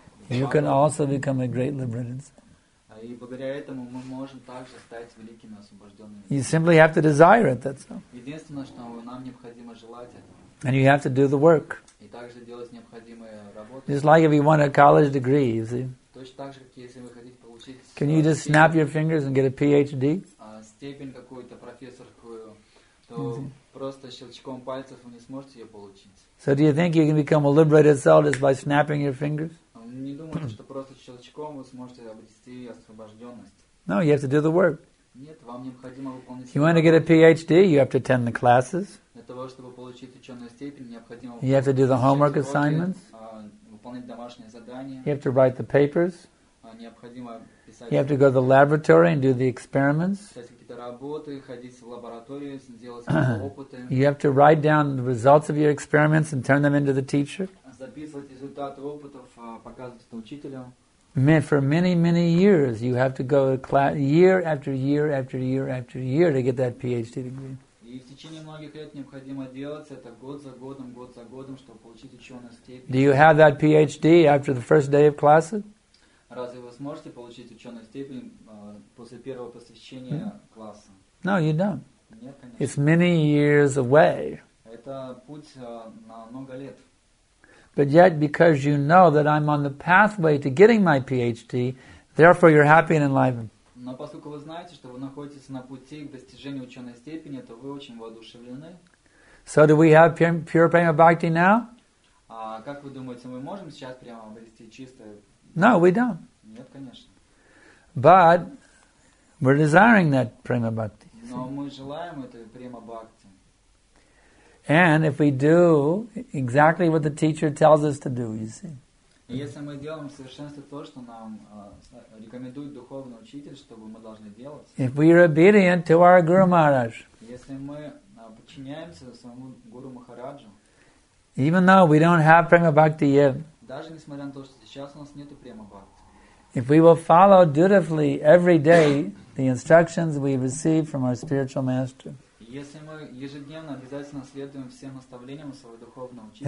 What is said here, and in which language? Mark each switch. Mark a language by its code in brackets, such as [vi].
[en] You can also become a great liberated soul. [ru] И благодаря этому мы можем также стать великими освобожденными. [en] You simply have to desire it, that's all. [ru] Единственное, что нам необходимо желать это. [en] And you have to do the work. [ru] И также делать необходимые работы. [en] Just like if you want a college degree, you see. [ru] Точно так же, как если вы хотите получить. [en] Can you just snap your fingers and get a PhD? [ru] Степень какую-то профессорскую, то просто щелчком пальцев вы не сможете ее получить. [en] So do you think you can become a liberated soul just by snapping your fingers? [ru] Не думайте, что просто щелчком вы сможете обрести освобожденность. [en] No, you have to do the work. [ru] Нет, вам необходимо выполнить. [en] You want to get a PhD, you have to attend the classes. [ru] Для того, чтобы получить ученую степень, необходимо. [en] You have to do the homework assignments. [ru] Выполнять домашние задания. [en] You have to write the papers. [ru] Необходимо писать. [en] You have to go to the laboratory and do the experiments. [ru] Писать какие-то работы, ходить в лабораторию, делать опыты. [en] You have to write down the results of your experiments and turn them into the teacher. [ru] Записывать результаты опытов, показывать это учителю. [en] For many, many years, you have to go to class year after year after year after year to get that PhD degree. [ru] И в течение многих лет необходимо делать это год за годом, чтобы получить ученую степень. [en] Do you have that PhD after the first day of class? [ru] Разве вы сможете получить ученую степень после первого посещения класса? [en] No, you don't. [ru] Нет, конечно. [en] It's many years away. [ru] Это путь на много лет. [en] But yet, because you know that I'm on the pathway to getting my PhD, therefore you're happy and enlivened. [ru] Но поскольку вы знаете, что вы находитесь на пути к достижению ученой степени, то вы очень воодушевлены. [en] So do we have pure prema bhakti now? [ru] Как вы думаете, мы можем сейчас прямо обрести чистое? [en] No, we don't. [ru] Нет, конечно. [en] But we're desiring that prema bhakti. [ru] Но мы желаем этой prema bhakti. [en] And if we do exactly what the teacher tells us to do, you see. [ru] И если мы делаем в совершенстве то, что нам рекомендует духовный учитель, что мы должны делать. [en] If we are obedient to our Guru Maharaj. [ru] Если мы подчиняемся своему Гуру Махараджу. [en] Even though we don't have prema bhakti yet. [ru] Даже несмотря на то, что сейчас у нас нету prema bhakti. [en] If we will follow dutifully every day the instructions we receive from our spiritual master. [ru] Если мы ежедневно обязательно следуем всем наставлениям своего духовного учителя.